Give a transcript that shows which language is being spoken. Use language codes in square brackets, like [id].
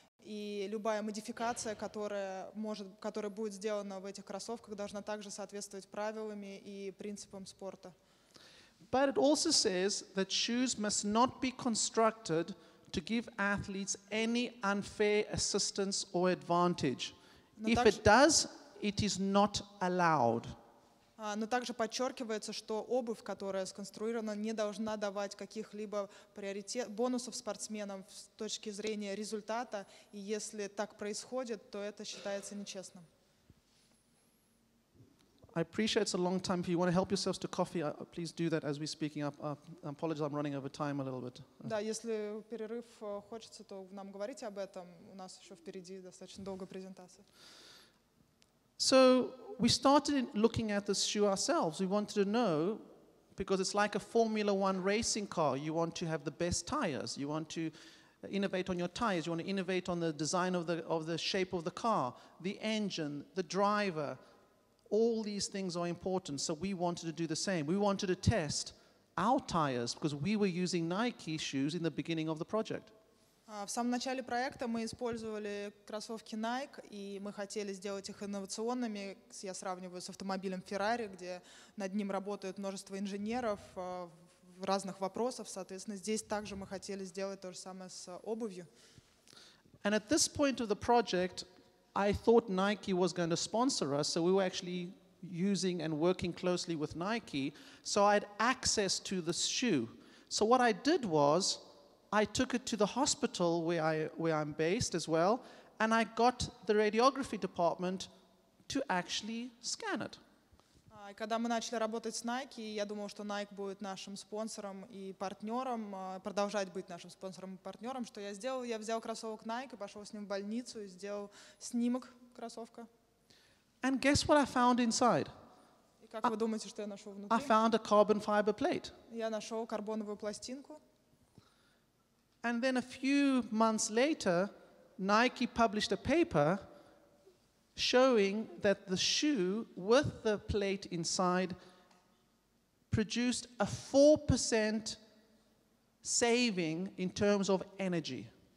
[ru] И любая модификация, которая будет сделана в этих кроссовках, должна также соответствовать правилам и принципам спорта. [en] But it also says that shoes must not be constructed to give athletes any unfair assistance or advantage. If it does, it is not allowed. [ru] Но также подчеркивается, что обувь, которая сконструирована, не должна давать каких-либо приоритет, бонусов спортсменам с точки зрения результата. И если так происходит, то это считается нечестным. [en] I appreciate it's a long time. If you want to help yourselves to coffee, please do that as we're speaking up. I apologize, I'm running over time a little bit. [ru] Да, если перерыв хочется, то нам говорите об этом. У нас еще впереди достаточно долгая презентация. [en] So we started looking at this shoe ourselves. We wanted to know, because it's like a Formula One racing car. You want to have the best tires. You want to innovate on your tires. You want to innovate on the design of the shape of the car, the engine, the driver. All these things are important, so we wanted to do the same. We wanted to test our tires because we were using Nike shoes in the beginning of the project. [ru] В самом начале проекта мы использовали кроссовки Nike, и мы хотели сделать их инновационными. Я сравниваю с автомобилем Ferrari, где над ним работают множество инженеров в разных вопросах. Соответственно, здесь также мы хотели сделать то же самое с обувью. [en] And at this point of the project, I thought Nike was going to sponsor us, so we were actually using and working closely with Nike, so I had access to this shoe. So what I did was, I took it to the hospital where I'm based as well, and I got the radiography department to actually scan it. [ru] Когда мы начали работать с Nike, я думал, что Nike будет нашим спонсором и партнером, продолжать быть нашим спонсором и партнером. Что я сделал? Я взял кроссовок Nike, пошел с ним в больницу и сделал снимок кроссовка. [en] And guess what I found inside? [ru] И как вы думаете, что я нашел внутри? [en] I found a carbon fiber plate. [ru] Я нашел карбоновую пластинку. [en] And then a few months later, Nike published a paper showing that the shoe with the plate inside produced a 4% saving in terms of energy.